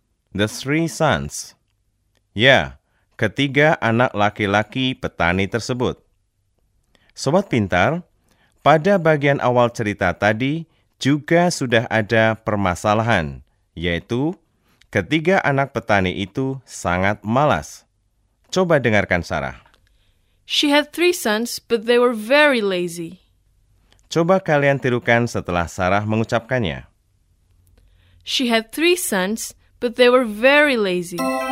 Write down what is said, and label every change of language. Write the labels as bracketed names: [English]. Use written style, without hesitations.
[English] The 3 sons. Yeah, [Indonesian] ketiga anak laki-laki petani tersebut. Sobat pintar, pada bagian awal cerita tadi juga sudah ada permasalahan, yaitu ketiga anak petani itu sangat malas. Coba dengarkan Sarah. [English] She had 3 sons, but they were very lazy. [Indonesian] Coba kalian tirukan setelah Sarah mengucapkannya. [English] She had 3 sons, but they were very lazy.